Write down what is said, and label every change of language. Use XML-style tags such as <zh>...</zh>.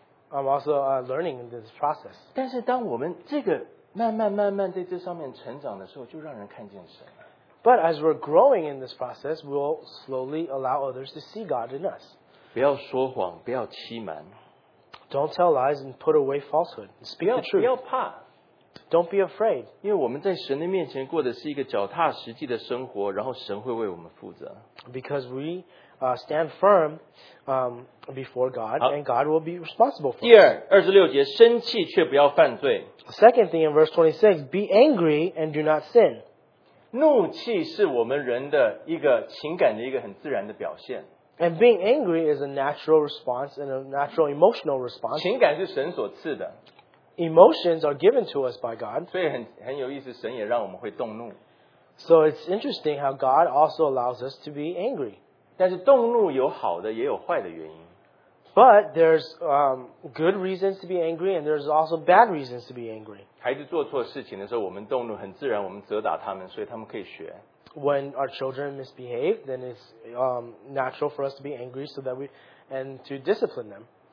<en>I'm also learning in this process.</en> <zh>但是当我们这个慢慢慢慢在这上面成长的时候，就让人看见神。</zh> <en>But as we're growing in this process, we'll slowly allow others to see God in us.</en> <zh>不要说谎，不要欺瞒。</zh> <en>Don't tell lies and put away falsehood. Speak the truth.</en> <zh>不要怕。</zh> <en>Don't be afraid.</en> <zh>因为我们在神的面前过的是一个脚踏实地的生活，然后神会为我们负责。</zh> <en>Because we stand firm before God, and God will be responsible for us.</en> <zh>第二，二十六节，生气却不要犯罪。</zh> <en>The second thing in verse 26, be angry and do not sin.</en> <zh>怒气是我们人的一个情感的一个很自然的表现。</zh> <en>And being angry is a natural response and a natural emotional response.</en> <zh>情感是神所赐的。</zh> <en>Emotions are given to us by God.</en> <zh>所以很有意思，神也让我们会动怒。</zh> <en>So it's interesting how God also allows us to be angry.</en> <zh>但是动怒有好的也有坏的原因。</zh> <en>But there's good reasons to be angry, and there's also bad reasons to be angry.</en> <zh>孩子做错事情的时候，我们动怒，很自然，我们责打他们，所以他们可以学。</zh> <en>When our children misbehave, then it's natural for us to be angry so that and to discipline them.</en>